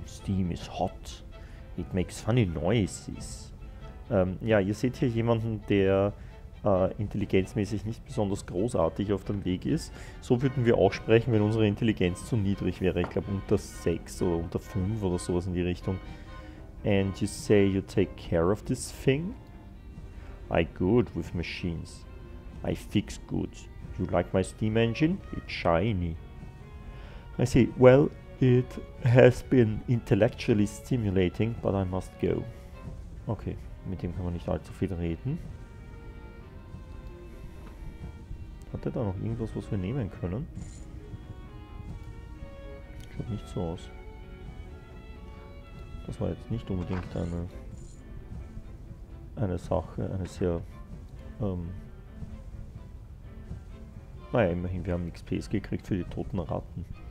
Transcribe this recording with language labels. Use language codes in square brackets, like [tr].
[en] Steam is hot. It makes funny noises. [de] Ja, ihr seht hier jemanden, der intelligenzmäßig nicht besonders großartig auf dem Weg ist. So würden wir auch sprechen, wenn unsere Intelligenz zu niedrig wäre. Ich glaube unter 6 oder unter 5 oder sowas in die Richtung. [en] And you say you take care of this thing? I good with machines. I fix good. You like my steam engine? It's shiny. I see. Well, it has been intellectually stimulating, but I must go. [de] Okay, mit dem kann man nicht allzu viel reden. Hat er da noch irgendwas, was wir nehmen können? Schaut nicht so aus. Das war jetzt nicht unbedingt eine Sache, eine sehr, naja, immerhin, wir haben XP gekriegt für die toten Ratten.